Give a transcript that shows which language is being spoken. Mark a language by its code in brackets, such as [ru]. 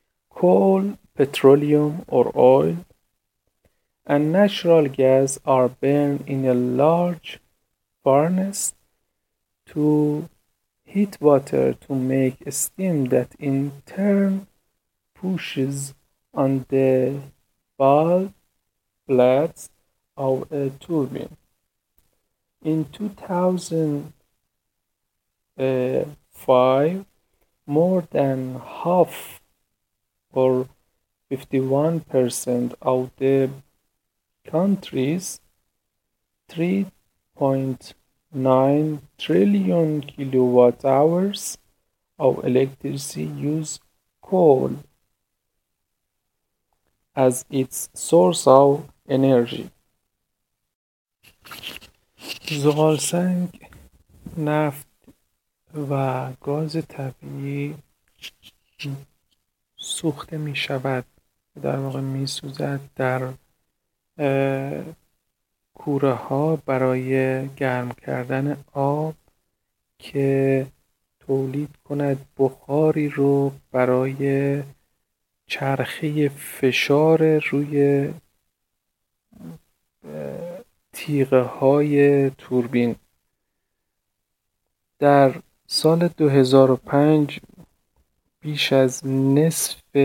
[en] coal, petroleum [ur] اور [en] Oil and natural gas are burned in a large furnace to heat water to make steam that in turn pushes on the blades of a turbine. In 2005, more than half or 51% of the countries 3.9 trillion kilowatt hours of electricity use coal as its source of energy. [fa] زغال سنگ، نفت و گاز طبیعی سوخته می شود در واقع می سوزد در کوره ها برای گرم کردن آب که تولید کند بخاری رو برای چرخه فشار روی تیغه های توربین در سال 2005 بیش از نصف